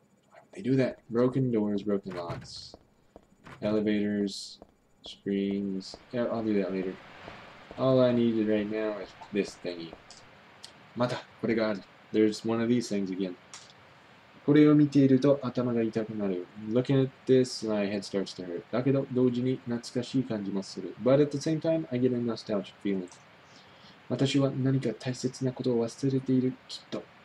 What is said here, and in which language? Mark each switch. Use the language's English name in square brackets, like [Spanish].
[English] Why would they do that? Broken doors, broken locks. Elevators, screens. Yeah, I'll do that later. All I needed right now is this thingy. Mata, what a god. There's one of these things again. Looking at this, my head starts to hurt. [Japanese] だけど同時に懐かしい感じもする. [English] But at the same time, I get a nostalgic feeling. [Japanese] 私は何か大切なことを忘れているきっと.